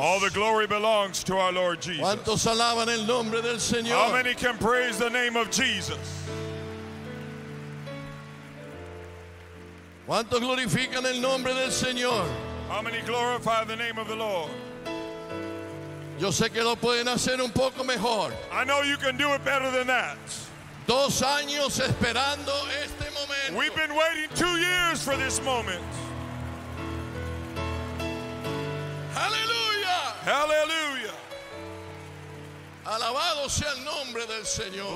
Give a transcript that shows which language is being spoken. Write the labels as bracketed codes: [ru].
[en] All the glory belongs to our Lord Jesus. [es] ¿Cuántos alaban el nombre del Señor? [en] How many can praise the name of Jesus? [es] ¿Cuántos glorifican el nombre del Señor? [en] How many glorify the name of the Lord? [es] Yo sé que lo pueden hacer un poco mejor. [en] I know you can do it better than that. [es] 2 años esperando este momento. [en] We've been waiting 2 years for this moment. Hallelujah! Hallelujah! [es] Alabado sea el nombre del Señor.